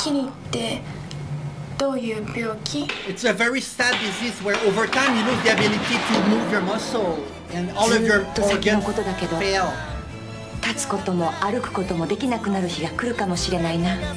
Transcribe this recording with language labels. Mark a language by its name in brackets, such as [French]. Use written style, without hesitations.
[Japanese] きり言ってどういう病気？ [English] It's a very sad disease where over time you lose the ability to move your muscle and all of your organs fail. [Japanese] 立つことも歩くこともできなくなる日が来るかもしれないな。